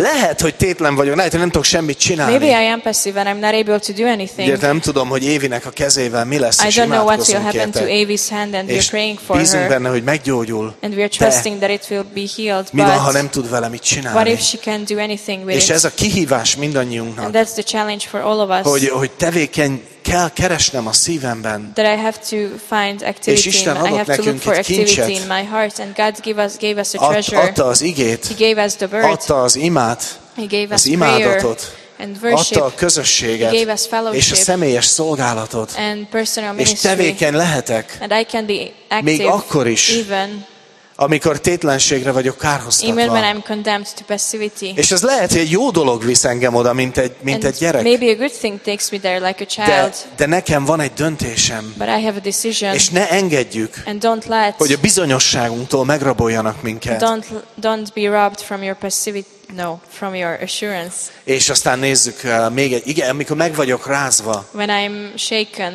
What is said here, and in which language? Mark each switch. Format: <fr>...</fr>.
<hu>Lehet, hogy tétlen vagyok, lehet, hogy nem tudok semmit csinálni.</hu> <en>Maybe I am passive and I'm not able to do anything.</en> <hu>Értem, nem tudom, hogy Évinek a kezével mi lesz, és</hu> <en>what will happen to Avi's hand and we're praying for</en> <hu>bízunk</hu> <en>her</en> <hu>benne, hogy meggyógyul,</hu> <en>and we're trusting that it will be healed</en> <hu>mi van, ha nem tud vele mit csinálni?</hu> <en>What if she can't do anything with</en> <hu>és</hu> <en>it?</en> <hu>Ez a kihívás mindannyiunknak,</hu> <en>and that's the challenge for all of us,</en> <hu>hogy tevékeny kell keresnem a szívemben,</hu> <en>that I have to find activity,</en> <hu>és Isten adott nekünk</hu> <en>for activity in my heart, and God gave us a treasure,</en> <hu>adta az igét,</hu> <en>he gave us the word,</en> <hu>adta az imát,</hu> <en>he gave us</en> <hu>az imádatot,</hu> <en>and worship,</en> <hu>adta a közösséget,</hu> <en>gave us fellowship,</en> <hu>és a személyes szolgálatot,</hu> <en>and personal</en> <hu>és tevékeny lehetek,</hu> <en>and I can be active,</en> <hu>még akkor is,</hu> <en>even,</en> <hu>amikor tétlenségre vagyok kárhoztatva.</hu> <en>Even when I'm condemned to passivity.</en> <hu>És ez lehet, hogy egy jó dolog visz engem oda, mint egy gyerek.</hu> <en>Maybe a good thing takes me there, like a child.</en> <hu>De nekem van egy döntésem.</hu> <en>But I have a decision.</en> <hu>És ne engedjük,</hu> <en>and don't let,</en> <hu>hogy a bizonyosságunktól megraboljanak minket.</hu> <en>Don't be robbed from your passivity. No, from your assurance.</en> <hu>És aztán nézzük még egy, igen, amikor meg vagyok rázva.</hu> <en>When I'm shaken.</en>